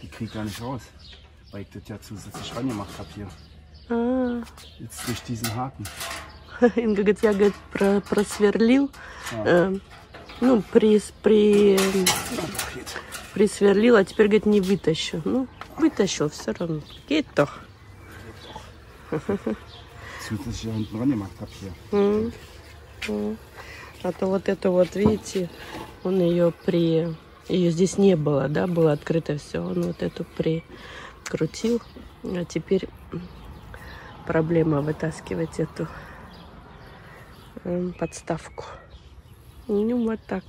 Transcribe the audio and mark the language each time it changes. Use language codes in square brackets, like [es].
[de] Die kriege ich gar nicht raus, weil ich das ja zusätzlich reingemacht habe hier. Ah. Jetzt durch diesen Haken. [ru] Inga говорит, я говорит, просверлил. Ну, присверлил, а теперь, говорит, не вытащу. Ну, вытащил все равно. [de] Geht doch. Zusätzlich reingemacht habe hier. [ru] А то вот это вот, видите, он ее при... Ее здесь не было, да, было открыто все. Он вот эту прикрутил. А теперь проблема вытаскивать эту подставку. Ну, вот так.